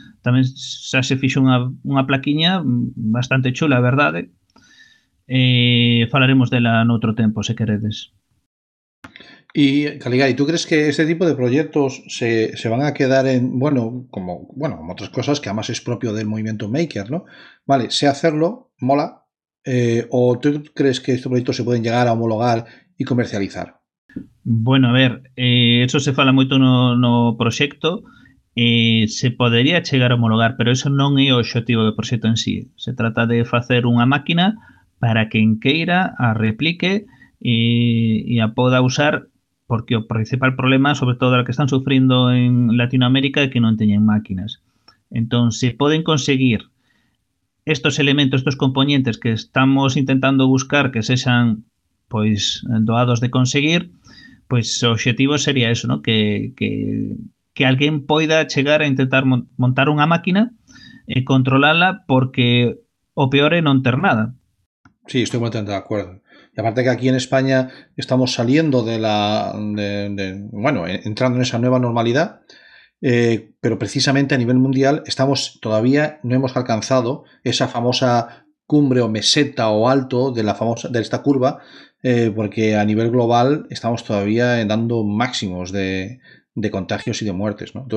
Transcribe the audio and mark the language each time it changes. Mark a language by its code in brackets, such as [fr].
[gl] Tamén xa se fixo unha plaquiña bastante chula, verdade? Falaremos dela en outro tempo, se queredes. [es] Y Caligari, ¿tú crees que este tipo de proyectos se van a quedar en, como otras cosas, que además es propio del movimiento maker, ¿no? Vale, sé hacerlo, mola, ¿o tú crees que estos proyectos se pueden llegar a homologar y comercializar? [gl] Bueno, a ver, eso se fala moito no proxecto, se podería chegar a homologar, pero eso non é o obxectivo do proxecto en sí. Se trata de facer unha máquina para que en queira a replique e a poda usar, porque o principal problema, sobre todo o que están sufrindo en Latinoamérica, é que non teñen máquinas. Entón, se poden conseguir estos elementos, estos componentes que estamos intentando buscar que sexan pois doados de conseguir, pois o obxectivo sería eso, ¿no? que alguén poida chegar a intentar montar unha máquina e controlarla, porque o peor é non ter nada. [es] Sí, estoy bastante de acuerdo. Y aparte que aquí en España estamos saliendo de la... entrando en esa nueva normalidad, pero precisamente a nivel mundial estamos todavía no hemos alcanzado esa famosa cumbre o meseta o alto de la famosa de esta curva, porque a nivel global estamos todavía dando máximos de contagios y de muertes, ¿no?